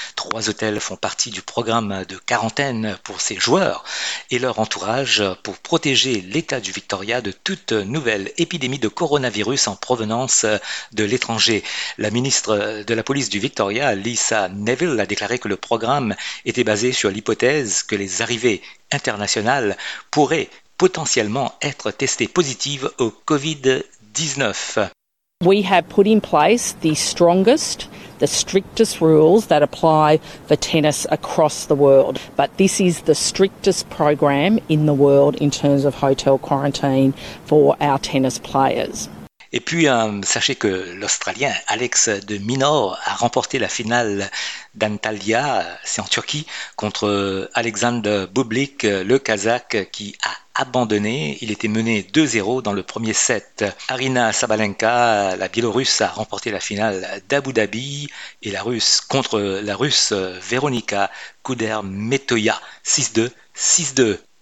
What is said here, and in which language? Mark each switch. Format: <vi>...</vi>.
<fr>Trois hôtels font partie du programme de quarantaine pour ces joueurs et leur entourage pour protéger l'état du Victoria de toute nouvelle épidémie de coronavirus en provenance de l'étranger. La ministre de la police du Victoria, Lisa Neville, a déclaré que le programme était basé sur l'hypothèse que les arrivées internationale pourrait potentiellement être testée positive au COVID-19.</fr> <en>We have put in place the strongest, the strictest rules that apply for tennis across the world. But this is the strictest program in the world in terms of hotel quarantine for our tennis players.</en> <fr>Et puis, sachez que l'Australien Alex de Minaur a remporté la finale d'Antalya, c'est en Turquie, contre Alexander Bublik, le Kazakh, qui a abandonné. Il était mené 2-0 dans le premier set. Arina Sabalenka, la Biélorusse, a remporté la finale d'Abu Dhabi et la Russe contre la Russe Veronika Kudermetova, 6-2, 6-2.</fr>